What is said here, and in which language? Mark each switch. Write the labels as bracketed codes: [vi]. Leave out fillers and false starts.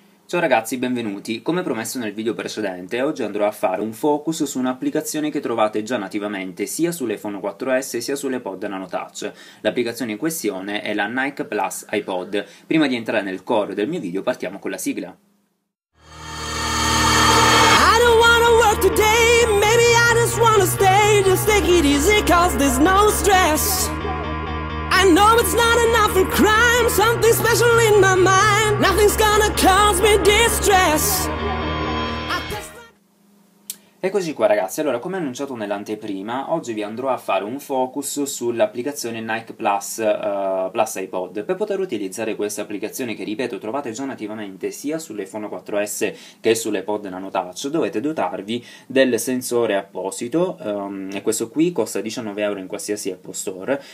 [it] Ciao ragazzi, benvenuti. Come promesso nel video precedente, oggi andrò a fare un focus su un'applicazione che trovate già nativamente sia sull'iPhone 4S sia sull'iPod Nano Touch. L'applicazione in questione è la Nike Plus iPod. Prima di entrare nel core del mio video, partiamo con la sigla. [en] I don't wanna work today, maybe I just wanna stay, just take it easy cause there's no stress. I know it's not enough for crime, something special in my mind, nothing's gonna cause me distress. [it] Eccoci qua ragazzi, allora come annunciato nell'anteprima, oggi vi andrò a fare un focus sull'applicazione Nike Plus, Plus iPod. Per poter utilizzare questa applicazione, che ripeto trovate già nativamente sia sull'iPhone 4S che sull'iPod Nano Touch, dovete dotarvi del sensore apposito, e questo qui costa 19 euro in qualsiasi Apple Store.